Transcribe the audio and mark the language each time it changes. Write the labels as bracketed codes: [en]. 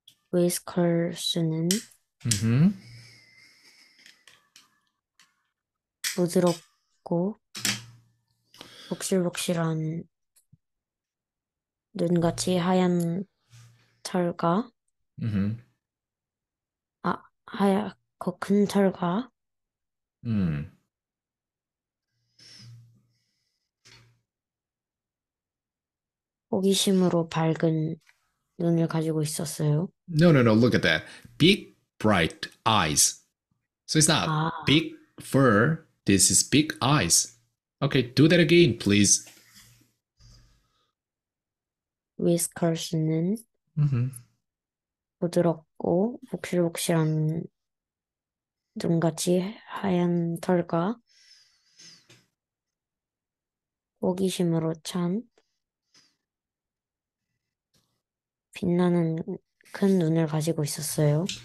[ko] 위스컨슨은 부드럽고 복실복실한 눈같이 하얀 털과 하얗고 큰 털과 호기심으로 밝은 눈을 가지고 있었어요. [en] No, look at that. Big bright eyes. So it's not big fur, this is big eyes. Okay, do that again, please. [ko] 위스컨슨은 부드럽고 복실복실한 눈같이 하얀 털과 호기심으로 찬 빛나는 큰 눈을 가지고 있었어요.